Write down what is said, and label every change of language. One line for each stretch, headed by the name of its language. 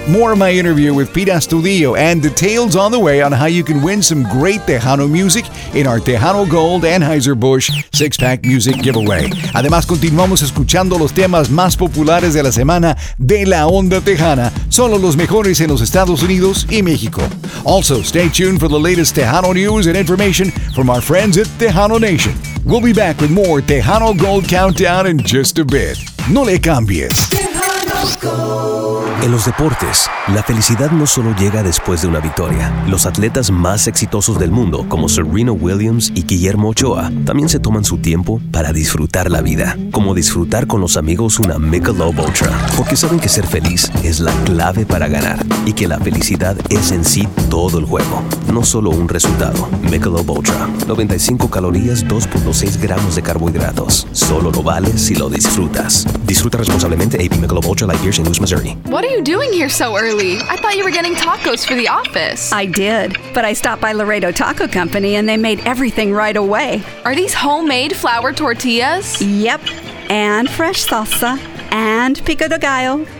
English: More of my interview with Pete Astudillo and details on the way on how you can win some great Tejano music in our Tejano Gold Anheuser-Busch six-pack music giveaway.
Spanish: Además, continuamos escuchando los temas más populares de la semana de La Onda Tejana, solo los mejores en los Estados Unidos y México.
English: Also, stay tuned for the latest Tejano news and information from our friends at Tejano Nation. We'll be back with more Tejano Gold Countdown in just a bit.
Spanish: No le cambies. En los deportes, la felicidad no solo llega después de una victoria. Los atletas más exitosos del mundo, como Serena Williams y Guillermo Ochoa, también se toman su tiempo para disfrutar la vida. Como disfrutar con los amigos una Michelob Ultra. Porque saben que ser feliz es la clave para ganar. Y que la felicidad es en sí todo el juego. No solo un resultado. Michelob Ultra. 95 calorías, 2.6 gramos de carbohidratos. Solo lo vale si lo disfrutas. Disfruta responsablemente AP Michelob Ultra Light Beer, St. Louis, Missouri.
English: What are you doing here so early? I thought you were getting tacos for the office. I did, but I stopped by Laredo Taco Company and they made everything right away. Are these homemade flour tortillas? Yep, and fresh salsa, and pico de gallo.